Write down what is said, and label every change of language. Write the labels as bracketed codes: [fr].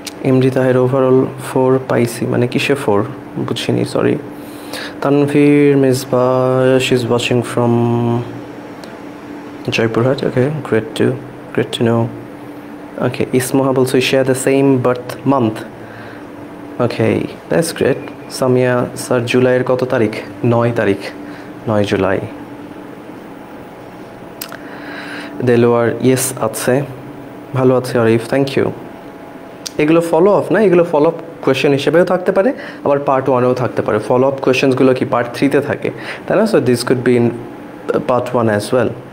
[bn] MD Taher, overall four পাইসি, মানে কিসে four বুঝিনি, sorry. [en] Tanvir Misba, she is watching from Joypurhat, okay, great to know. Okay, Ismoha also share the same birth month. Okay, that's great. [bn] Samia, sir, July er koto tarikh? 9 tarikh. 9 July. Delaware, yes, আছে, ভালো আছে Arif, [en] Thank you. [bn] এগুলো follow up না, এগুলো follow up question হিসেবেও থাকতে পারে, আবার পার্ট ওয়ানেও থাকতে পারে। ফলো আপ কোয়েশ্চেনসগুলো কি পার্ট থ্রিতে থাকে, তাই না? [en] So this could be in part one as well.